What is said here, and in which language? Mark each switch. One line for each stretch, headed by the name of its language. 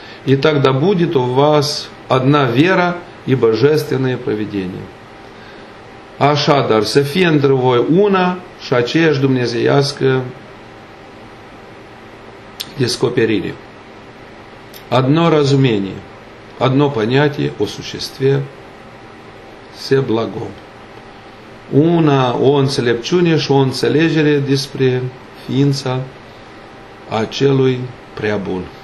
Russian: И тогда будет у вас одна вера и божественное провидение.
Romanian: Așadar, să fie între voi una și aceeași dumnezeiască descoperire.
Russian: Одно разумение, одно понятие о существе все благом.
Romanian: Una o înțelepciune și o înțelegere despre ființa acelui prea bun.